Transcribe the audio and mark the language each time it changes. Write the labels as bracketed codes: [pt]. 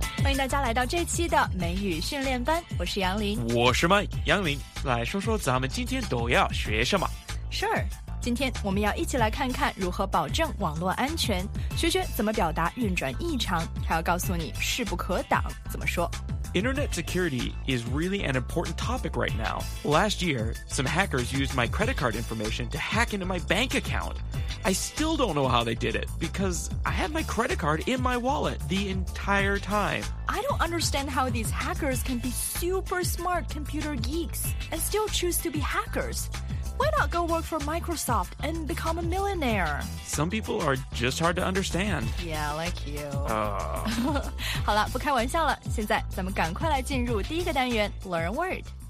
[zh] 迎大家来到这期的美语训练班，我是杨林。我是麦杨林，来说说咱们今天都要学什么。 Sure， 今天我们要一起来看看如何保证网络安全，学学怎么表达运转异常，还要告诉你势不可挡怎么说。 [en] Internet security is really an important topic right now. Last year, some hackers used my credit card information to hack into my bank account. I still don't know how they did it because I had my credit card in my wallet the entire time. I don't understand how these hackers can be super smart computer geeks and still choose to be hackers. Why not go work for Microsoft and become a millionaire? Some people are just hard to understand. Yeah, like you. Oh. [zh] 好了，不开玩笑了，现在咱们赶快来进入第一个单元 Learn a Word.